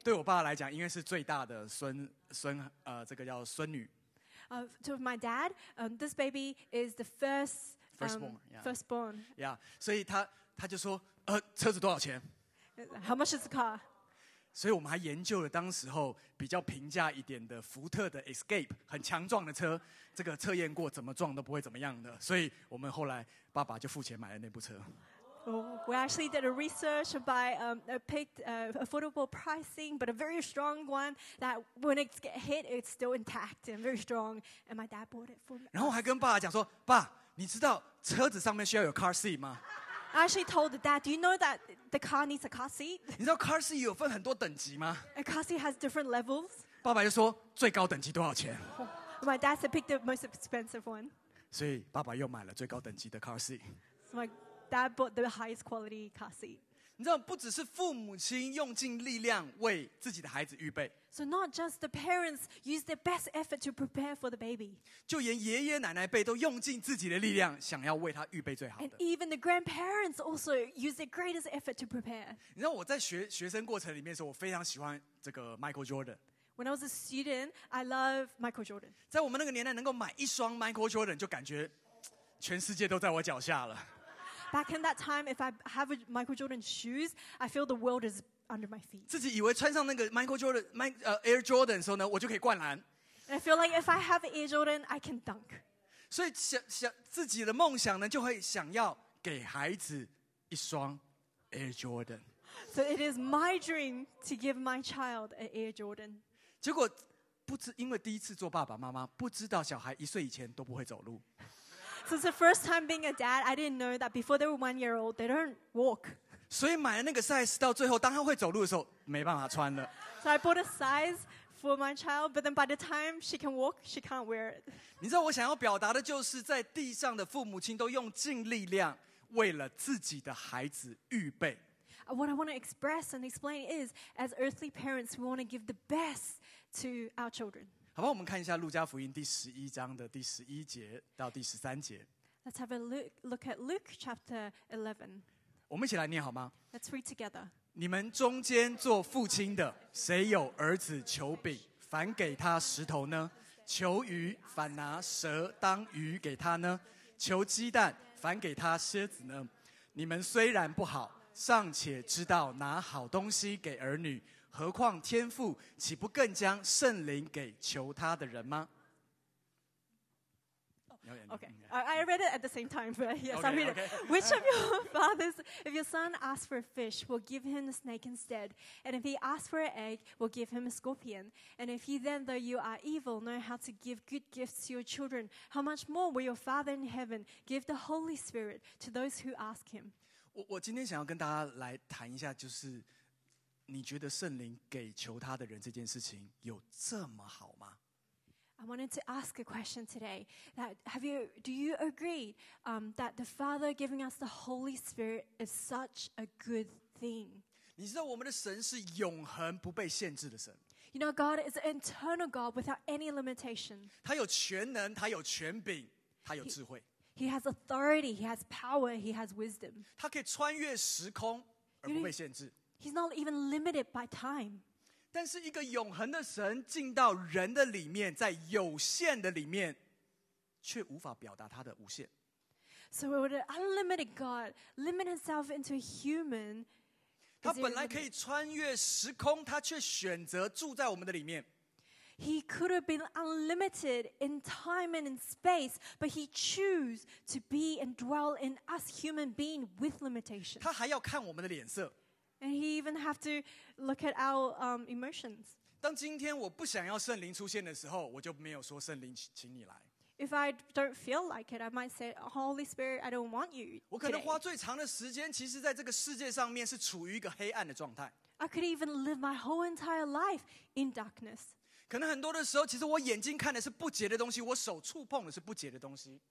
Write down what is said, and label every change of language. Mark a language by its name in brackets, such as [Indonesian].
[Chinese] 对我爸来讲，因为是最大的孙，这个叫孙女。 [English] To my dad, this baby is the first. Firstborn. Yeah. [Chinese] 所以他就说，车子多少钱 [English] ？How much is the car？ [Chinese] 所以我们还研究了当时候比较平价一点的福特的 Escape， 很强壮的车，这个测验过怎么撞都不会怎么样的。所以我们后来爸爸就付钱买了那部车。 [English] We actually did a research by picked affordable pricing, but a very strong one that when it gets hit, it's still intact and very strong. And my dad bought it for me. [Chinese] 然后还跟爸爸讲说，爸，你知道车子上面需要有 car seat 吗？ [English] I actually told Dad, do you know that the car needs a car seat? [Chinese] 你知道 car seat 有分很多等级吗？ [English] A car seat has different levels. [Chinese] 爸爸就说最高等级多少钱？ [English] My dad said pick the most expensive one. [Chinese] 所以爸爸又买了最高等级的 car seat. [English] So my dad bought the highest quality car seat. [Chinese] 你知道不只是父母亲用尽力量为自己的孩子预备。 [English] So not just the parents use their best effort to prepare for the baby. [Chinese] 就连爷爷奶奶辈都用尽自己的力量，想要为他预备最好的。 [English] And even the grandparents also use their greatest effort to prepare. [Chinese] 你知道我在学生过程里面的时候，我非常喜欢这个 Michael Jordan. [English] When I was a student, I loved Michael Jordan. [Chinese] 在我们那个年代，能够买一双 Michael Jordan， 就感觉全世界都在我脚下了。 [English] Back in that time, if I have a Michael Jordan shoes, I feel the world is under my feet. [Chinese] 自己以为穿上那个 Michael Jordan, Air Jordan 的时候呢，我就可以灌篮。 [English] And I feel like if I have Air Jordan, I can dunk. [Chinese] 所以想自己的梦想呢，就会想要给孩子一双 Air Jordan。 [English] So it is my dream to give my child an Air Jordan. [Chinese] 结果不知因为第一次做爸爸妈妈，不知道小孩一岁以前都不会走路。 [English] So it's the first time being a dad, I didn't know that before they were 1 year old, they don't walk. [Chinese] 所以买了那个 size 到最后当他会走路的时候没办法穿了。 [English] So I bought a size for my child, but then by the time she can walk, she can't wear it. [Chinese] 你知道我想要表达的就是在地上的父母亲都用尽力量为了自己的孩子预备。 [English] What I want to express and explain is, as earthly parents, we want to give the best to our children. [Chinese] 好吧，我们看一下路加福音第十一章的第十一节到第十三节。 [English] Let's have a look at Luke chapter 11. [Chinese] 我们一起来念好吗？ [English] Let's read together. [Chinese] 你们中间做父亲的，谁有儿子求饼，反给他石头呢？求鱼，反拿蛇当鱼给他呢？求鸡蛋，反给他蝎子呢？你们虽然不好，尚且知道拿好东西给儿女，何况天父岂不更将圣灵给求他的人吗？ [English] Okay, I read it at the same time, but yes, okay, I read it. Okay. Which of your fathers, if your son asks for a fish, will give him a snake instead? And if he asks for an egg, will give him a scorpion? And if you then, though you are evil, know how to give good gifts to your children, how much more will your Father in heaven give the Holy Spirit to those who ask him? [Chinese] 我今天想要跟大家来谈一下，就是你觉得圣灵给求他的人这件事情有这么好吗？ [English] I wanted to ask a question today. That do you agree that the Father giving us the Holy Spirit is such a good thing? [Chinese] 你知道我们的神是永恒不被限制的神。 [English] You know, God is an eternal God without any limitation. [Chinese] 他有全能，他有权柄，他有智慧。 [English] He has authority. He has power. He has wisdom. [Chinese] 他可以穿越时空而不被限制。 [English] He's not even limited by time. [Chinese] 但是一个永恒的神进到人的里面，在有限的里面，却无法表达他的无限。 [English] So would an unlimited God limit himself into a human? [Chinese] 他本来可以穿越时空，他却选择住在我们的里面。 [English] He could have been unlimited in time and in space, but he chose to be and dwell in us human being with limitation. [Chinese] 他还要看我们的脸色。 [English] And he even have to look at our emotions. [Chinese] 当今天我不想要圣灵出现的时候，我就没有说圣灵，请你来。 [English] If I don't feel like it, I might say, Holy Spirit, I don't want you. [Chinese] 我可能花最长的时间，其实在这个世界上面是处于一个黑暗的状态。 [English] I could even live my whole entire life in darkness. [Chinese] 可能很多的时候，其实我眼睛看的是不洁的东西，我手触碰的是不洁的东西。